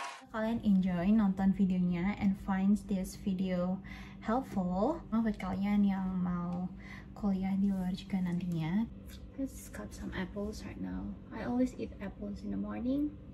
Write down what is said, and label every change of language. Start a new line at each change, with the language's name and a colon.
English: Kalian enjoy
Indonesian: nonton videonya
English: and find this video helpful.
Indonesian: Buat kalian yang mau kuliah di luar juga nantinya.
English: Let's cut some apples right now. I always eat apples in the morning.